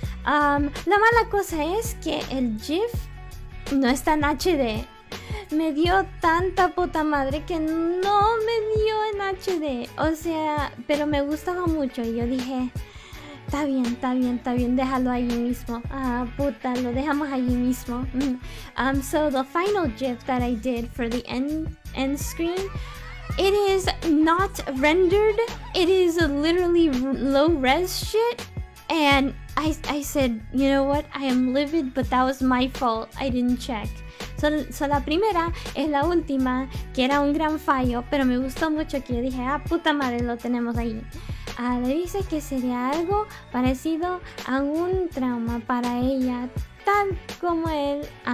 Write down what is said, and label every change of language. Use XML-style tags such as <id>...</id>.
<es>La mala cosa es que el GIF no está en HD. Me dio tanta puta madre que no me dio en HD. O sea, pero me gustaba mucho y yo dije, está bien, déjalo allí mismo. Ah, puta, lo dejamos allí mismo.</es> <en>So the final GIF that I did for the end screen, it is not rendered. It is literally low res shit. And I said, you know what? I am livid, but that was my fault. I didn't check.</en> <es>So la primera es la última, que era un gran fallo, pero me gustó mucho que yo dije, ah, puta madre, lo tenemos ahí. Le dice que sería algo parecido a un trauma para ella, tan como él.</es>